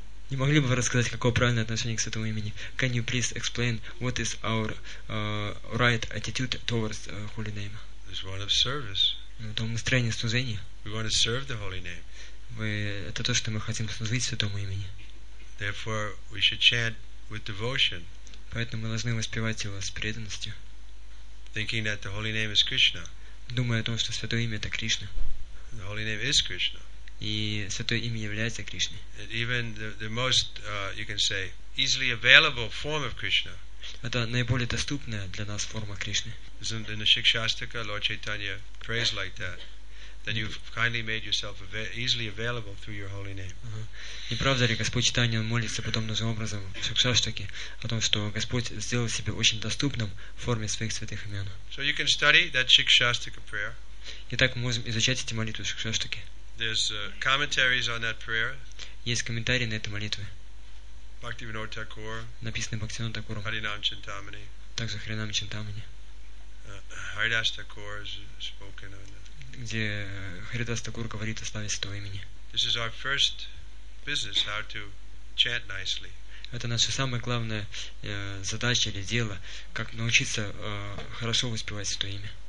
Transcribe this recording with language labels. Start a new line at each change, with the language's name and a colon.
Russian: Не могли бы вы рассказать, какое правильное отношение к святому имени?
English: Can you please explain what is our right attitude towards holy name? It's one of service.
Russian: Это настроение служения.
English: We want to serve the holy name.
Russian: Это то, что мы хотим служить святому имени.
English: Therefore, we should chant with devotion.
Russian: Поэтому мы должны воспевать его с преданностью.
English: Thinking that the holy name is Krishna.
Russian: Думая о том, что святое имя это Кришна.
English: The holy name is Krishna.
Russian: И святое имя является Кришной.
English: Even the most, you can say, easily available form of Krishna.
Russian: Это наиболее доступная для нас форма Кришны.
English: Isn't in the Shikshastaka, Lord Chaitanya prays like that, that you've kindly made yourself easily available through your holy name.
Russian: Не правда ли, Господь Чайтанья молится потом таким образом в Шикшаштаке о том, что Господь сделал себя очень доступным в форме своих святых имен.
English: So you can study that Shikshastaka prayer.
Russian: Итак, мы можем изучать эти молитвы Шикшаштаке.
English: There's commentaries on that prayer.
Russian: Есть комментарии на эту молитву.
English: Bhaktivinoda Thakur.
Russian: Написанный Бхактивинодой Тхакуром. Харинам Чинтамани. Также Харинам Чинтамани.
English: Haridas Thakur is spoken on that.
Russian: Где Харидас Тхакур говорит о славе святого имени.
English: This is our first business, how to chant nicely.
Russian: Это наша самая главная задача или дело, как научиться хорошо воспевать святое имя.